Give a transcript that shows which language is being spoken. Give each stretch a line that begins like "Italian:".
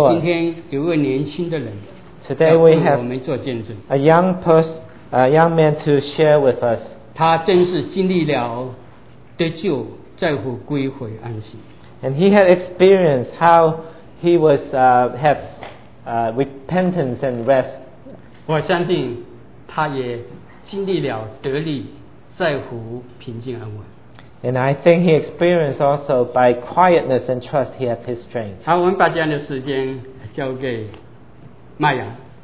Chinese: 我们今天有个年轻的人,
English: today we have a young person, a young man to share with us.
Chinese: 他真是经历了得救，在乎归回安息。
English: And he had experienced how he was had repentance and rest.
Chinese: 我相信他也经历了得力在乎平静安稳。
English: And I think he experienced also by quietness and trust he had his strength.
Chinese: 好，我们把这样的时间交给麦雅。